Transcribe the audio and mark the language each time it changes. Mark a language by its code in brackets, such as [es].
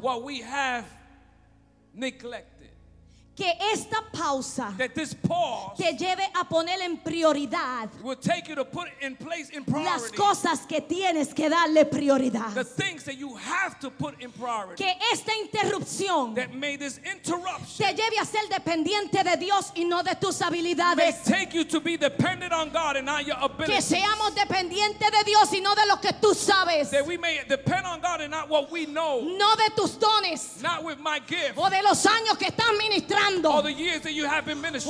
[en] What we have neglected. [es] Que esta pausa. [en] That this pause. [es] Te lleve a poner en prioridad. [en] Will take you to put in place in priority. [es] Las cosas que tienes que darle prioridad. [en] The things that you have to put in priority. [es] Que esta interrupción. [en] That may this interruption. [es] Te lleve a ser dependiente de Dios y no de tus habilidades. [en] May take you to be dependent on God and not your abilities. [es] Que seamos dependientes de Dios y no de lo que tú sabes. [en] That we may depend on God and not what we know. [es] No de tus dones. [en] Not with my gift. [es] O de los años que estás ministrando. [en] All the years that you have been ministering.